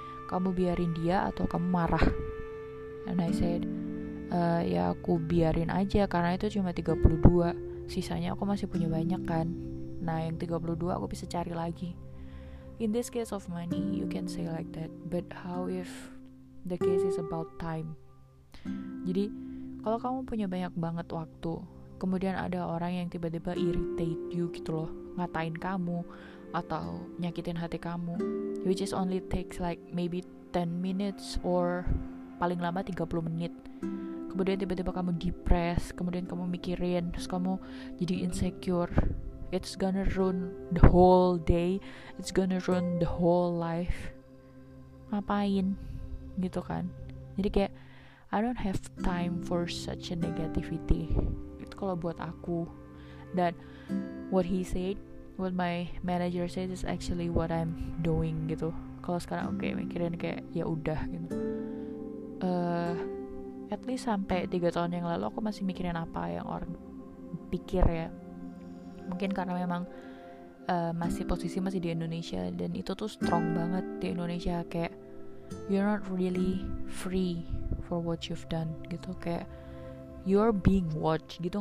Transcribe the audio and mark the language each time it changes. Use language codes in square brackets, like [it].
[id] Kamu biarin dia atau kamu marah? [en] And I said, [id] ya aku biarin aja karena itu cuma 32, sisanya aku masih punya banyak kan. Nah, yang 32 aku bisa cari lagi. [en] In this case of money, you can say like that. But how if the case is about time? [id] Jadi, kalau kamu punya banyak banget waktu, kemudian ada orang yang tiba-tiba [en] irritate you [id] gitu loh, ngatain kamu atau nyakitin hati kamu, [en] which is only takes like maybe 10 minutes or [id] paling lama 30 menit. Kemudian tiba-tiba kamu depressed, kemudian kamu mikirin, terus kamu jadi insecure. [en] It's gonna ruin the whole day. It's gonna ruin the whole life. [id] Ngapain? Gitu kan. Jadi kayak, [en] I don't have time for such a negativity. [id] Itu kalau buat aku. Dan [en] what he said, what my manager said is actually what I'm doing gitu. [id] Kalau sekarang oke, mikirin kayak ya udah gitu. [en] At least [id] sampai 3 tahun yang lalu aku masih mikirin apa yang orang pikir ya. Mungkin karena memang masih di Indonesia dan itu tuh strong banget di Indonesia, kayak [en] you're not really free for what you've done [id] gitu, kayak [en] you're being watched [id] gitu.